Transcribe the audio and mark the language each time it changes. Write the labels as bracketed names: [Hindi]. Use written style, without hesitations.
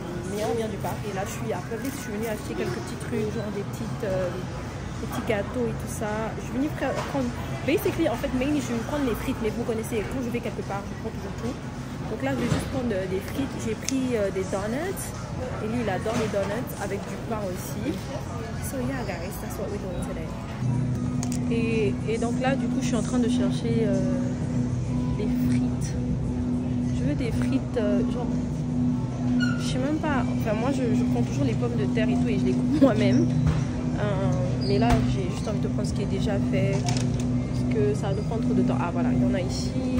[French] Mais on vient du parc et là je suis à Publix. Je suis venue acheter quelques petits trucs, genre des petits gâteaux et tout ça. Je suis venue prendre, basically en fait, mainly je vais prendre les frites, mais vous connaissez, quand je vais quelque part, je prends toujours tout. Donc là je vais juste prendre des frites. J'ai pris des donuts et lui il adore les donuts avec du pain aussi. [English] So yeah, guys, that's what we're doing today. [French] Et donc là, du coup, je suis en train de chercher des frites. Je veux des frites, genre, je sais même pas. Enfin, moi, je prends toujours les pommes de terre et tout et je les coupe moi-même. Mais là, j'ai juste envie de prendre ce qui est déjà fait. Parce que ça va nous prendre trop de temps. Ah, voilà, il y en a ici.